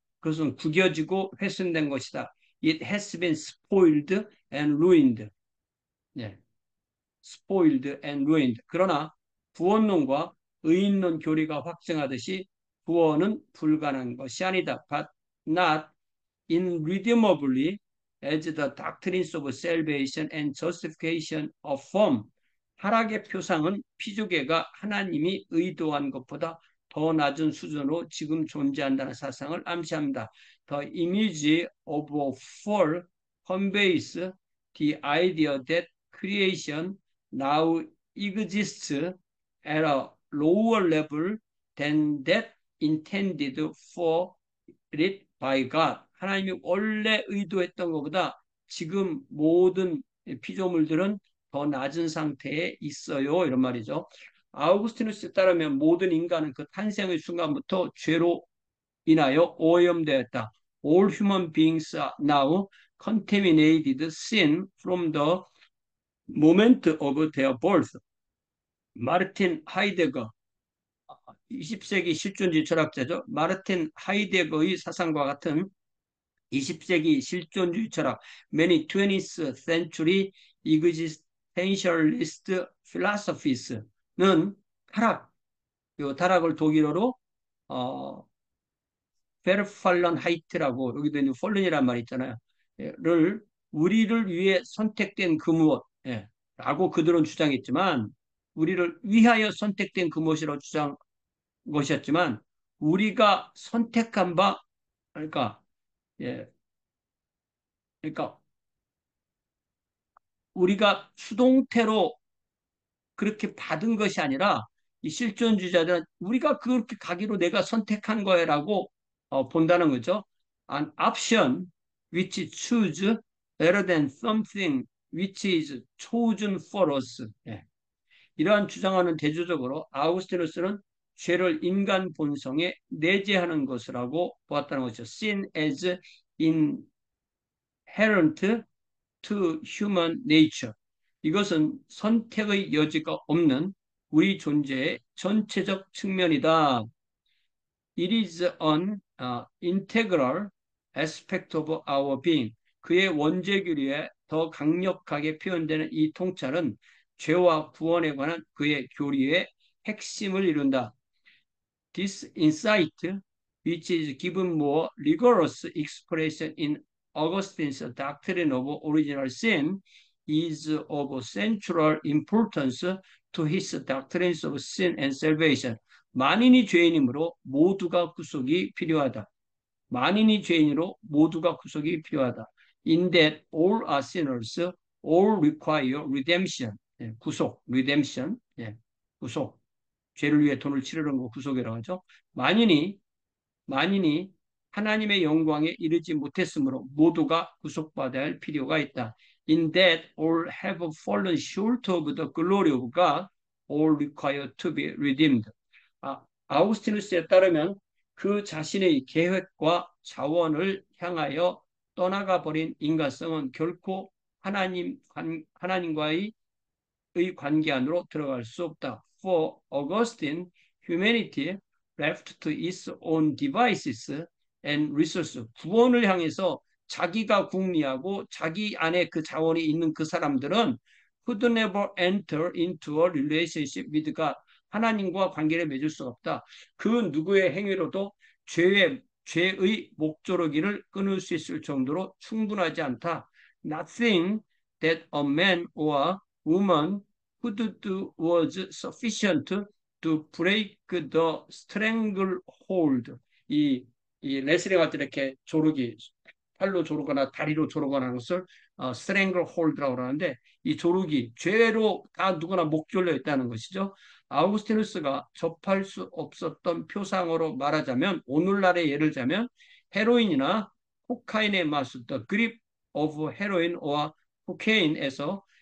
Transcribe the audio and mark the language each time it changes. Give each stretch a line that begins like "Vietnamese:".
Korean: 그것은 구겨지고 훼손된 것이다.
English: It has been spoiled and ruined.
Korean: 예.
English: Spoiled and ruined.
Korean: 그러나 부원론과 의인론 교리가 확증하듯이 부원은 불가능한 것이 아니다.
English: But not irredeemably as the doctrines of salvation and justification affirm.
Korean: 타락의 표상은 피조계가 하나님이 의도한 것보다 더 낮은 수준으로 지금 존재한다는 사상을 암시합니다.
English: The image of a fall conveys the idea that creation now exists at a lower level than that intended for it by God.
Korean: 하나님이 원래 의도했던 것보다 지금 모든 피조물들은 더 낮은 상태에 있어요. 이런 말이죠. 아우구스티누스에 따르면 모든 인간은 그 탄생의 순간부터 죄로 인하여 오염되었다.
English: All human beings are now contaminated sin from the moment of their birth.
Korean: 마르틴 하이데거, 20세기 실존주의 철학자죠. 마르틴 하이데거의 사상과 같은 20세기 실존주의 철학,
English: many 20th century existentialist philosophies
Korean: 는 타락, 요 타락을 독일어로 Verfallenheit라고 여기도 있는 fallen이란 말 있잖아요. 를 우리를 위해 선택된 그 무엇, 예, 라고 그들은 주장했지만 우리를 위하여 선택된 그 무엇이라고 주장한 것이었지만 우리가 선택한 바 그러니까 예. 그러니까 우리가 수동태로 그렇게 받은 것이 아니라 이 실존주의자들은 우리가 그렇게 가기로 내가 선택한 거야라고 본다는 거죠.
English: An option which choose better than something which is chosen for us.
Korean: 예. 이러한 주장하는 대조적으로 아우구스티누스는 죄를 인간 본성에 내재하는 것이라고 보았다는 것이죠.
English: Sin as inherent to human nature.
Korean: 이것은 선택의 여지가 없는 우리 존재의 전체적 측면이다.
English: It is an integral aspect of our being.
Korean: 그의 원죄교리에 더 강력하게 표현되는 이 통찰은 죄와 구원에 관한 그의 교리의 핵심을 이룬다.
English: This insight, which is given more rigorous expression in Augustine's doctrine of original sin, is of central importance to his doctrines of sin and salvation.
Korean: 만인이 죄인이므로 모두가 구속이 필요하다. 만인이 죄인으로 모두가 구속이 필요하다.
English: In that all are sinners, all require redemption.
Korean: 예, 구속, redemption. 예, 구속. 죄를 위해 돈을 치르는 거 구속이라고 하죠. 만인이 하나님의 영광에 이르지 못했으므로 모두가 구속받을 필요가 있다.
English: In that all have fallen short of the glory of God, all require to be redeemed.
Korean: 아우구스티누스에 따르면 그 자신의 계획과 자원을 향하여 떠나가 버린 인간성은 결코 하나님과의 관계 안으로 들어갈 수 없다.
English: For Augustine, humanity left to its own devices and resources.
Korean: 구원을 향해서 자기가 궁리하고 자기 안에 그 자원이 있는 그 사람들은
English: could never enter into a relationship with God.
Korean: 하나님과 관계를 맺을 수 없다. 그 누구의 행위로도 죄의 목조르기를 끊을 수 있을 정도로 충분하지 않다.
English: Nothing that a man or woman could do was sufficient to break the stranglehold.
Korean: 이 레슬링 같은 이렇게 조르기, 팔로 조르거나 다리로 조르거나 하는 것을 stranglehold라고 하는데 이 조르기, 죄로 다 누구나 목졸려 있다는 것이죠. 아우구스티누스가 접할 수 없었던 표상으로 말하자면 오늘날의 예를 들자면 헤로인이나 코카인의 맛,
English: the grip of heroin or cocaine
Korean: 에서